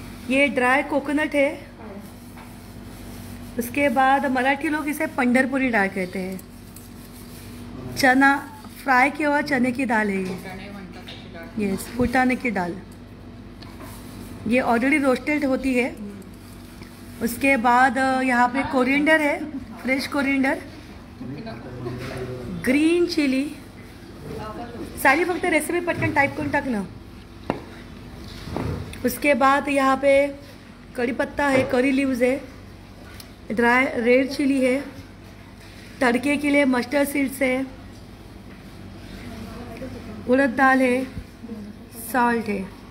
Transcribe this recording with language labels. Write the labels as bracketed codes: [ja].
[hi] ये dry coconut है, उसके बाद मराठी लोग इसे पंढरपुरी डाल कहते हैं, चना फ्राई किया हुआ चने की दाल है ये, यस फुटाने की दाल. ये ऑलरेडी रोस्टेड होती है. उसके बाद यहाँ पे कोरिएंडर है, फ्रेश कोरिएंडर, ग्रीन चिली. [mr] साली फक्त रेसिपी पटकन टाइप करून टाक ना. [hi] उसके बाद यहाँ पे कड़ी पत्ता है, करी लीव्स है, ड्राई रेड चिली है, तड़के के लिए मस्टर्ड सीड्स है, उड़द दाल है, सॉल्ट है.